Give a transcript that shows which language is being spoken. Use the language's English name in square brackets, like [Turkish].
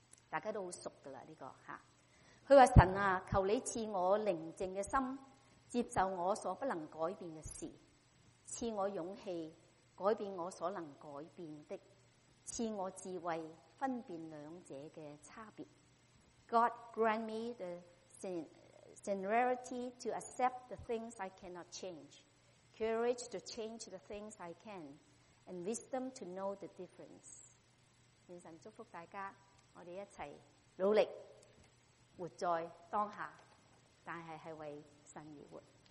[Chinese] 大家都很熟的了，这个他说：神啊，求你赐我宁静的心，接受我所不能改变的事，赐我勇气改变我所能改变的，赐我智慧分辨两者的差别。 [English] God grant me the generosity to accept the things I cannot change, courage to change the things I can, and wisdom to know the difference. [Chinese] 愿神祝福大家，我们一起努力活在当下，但是是为神而活。